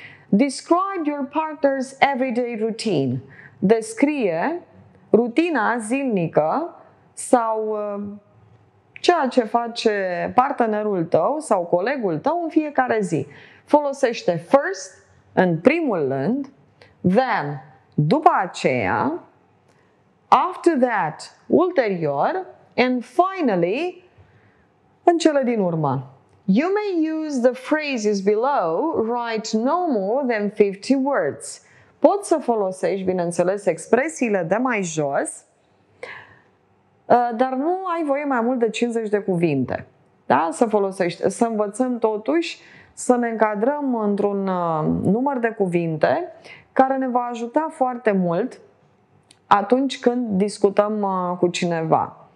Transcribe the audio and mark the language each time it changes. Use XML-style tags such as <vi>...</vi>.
<en>Describe your partner's everyday routine.</en> <ro>Descrie rutina zilnică sau ceea ce face partenerul tău sau colegul tău în fiecare zi. Folosește first, în primul rând, then, după aceea, after that, ulterior, and finally, în cele din urmă.</ro> <en>You may use the phrases below, write no more than 50 words.</en> <ro>Poți să folosești, bineînțeles, expresiile de mai jos, dar nu ai voie mai mult de 50 de cuvinte. Da? Să folosești, să învățăm totuși să ne încadrăm într-un număr de cuvinte care ne va ajuta foarte mult atunci când discutăm cu cineva.</ro>